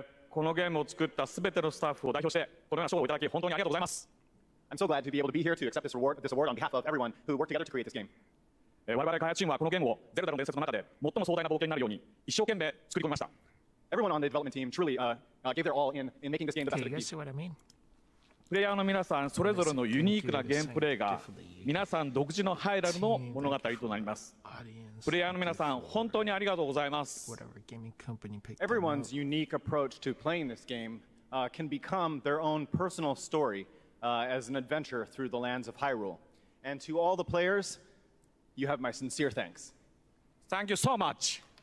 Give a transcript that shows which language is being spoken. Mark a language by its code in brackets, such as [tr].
[ja] このゲームを作ったすべてのスタッフを代表してこのような賞をいただき本当にありがとうございます。 [en] I'm so glad to be able to be here to accept this award on behalf of everyone who worked together to create this game. [ja] 我々開発チームはこのゲームをゼルダの伝説の中で最も壮大な冒険になるように一生懸命作り込みました。 [en] Everyone on the development team truly gave their all in making this game the best it could be. What I mean? [ja] プレイヤーの皆さんそれぞれのユニークなゲームプレイが皆さん独自のハイラルの物語となります。プレイヤーの皆さん本当にありがとうございます。 [en] Everyone's unique approach to playing this game can become their own personal story as an adventure through the lands of Hyrule. And to all the players, you have my sincere thanks. Thank you so much.